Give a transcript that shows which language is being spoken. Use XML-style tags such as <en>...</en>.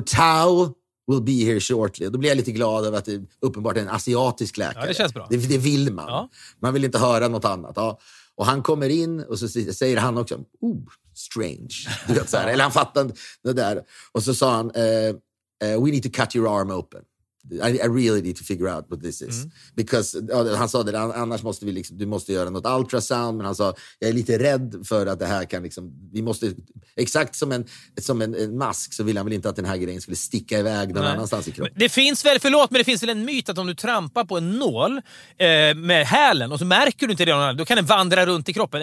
<en>Tao will be here shortly.</en> <sv>Då blir jag lite glad över att det uppenbart är en asiatisk läkare. Ja, det känns bra. Det vill man. Ja. Man vill inte höra något annat. Ja. Och han kommer in och så säger han också,</sv> <en>ooh, strange.</en> <sv>Du vet, så här. Eller han fattar det där. Och så sa han,</sv> <en>we need to cut your arm open. I really need to figure out what this is.</en> <sv>Because, han sa det, annars måste vi liksom, du måste göra något ultrasound. Men han sa, jag är lite rädd för att det här kan liksom, vi måste, exakt som en mask, så vill han väl inte att den här grejen skulle sticka iväg någon annanstans i kroppen. Det finns väl, förlåt, men det finns väl en myt att om du trampar på en nål med hälen och så märker du inte det, då kan den vandra runt i kroppen.</sv>